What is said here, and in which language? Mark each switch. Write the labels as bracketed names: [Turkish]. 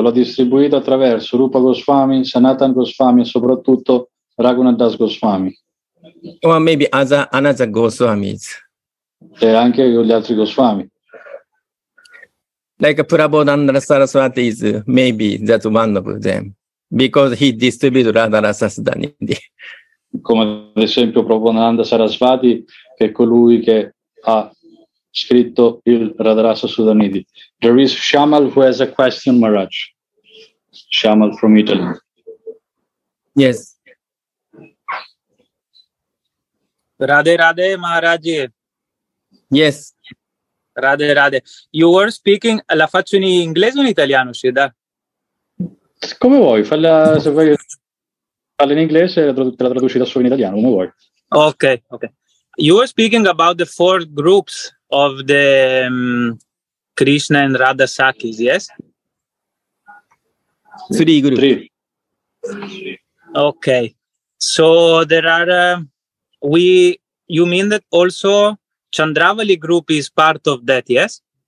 [Italian] L'ha distribuito attraverso Rupa Goswami, Sanatan Goswami e soprattutto Raghunath Das Goswami. [English] Or maybe other another Goswamis. [Italian] E anche gli altri Goswami. [English] Like Prabodhananda Saraswati is maybe that one of them. Because he distributed Radharasa Sudanidhi. [Italian] Come ad esempio Prabodhananda Saraswati, che è colui che ha scritto il Radharasa Sudanidhi. [English] There is Shamal who has a question, Maharaj. Shamal from Italy. Yes. Radhe Radhe Maharaj. Yes. Radhe Radhe. You were speaking, [Italian] la faccio in inglese o in italiano, Shida? Come vuoi, falla, se vuoi falla in inglese te la traduci da solo in italiano, come vuoi. Ok, ok. [English] You were speaking about the four groups of the Krishna and Radha Sakis, yes? Three groups. Three. Ok. So there are, you mean that also Chandravali group is part of that, yes?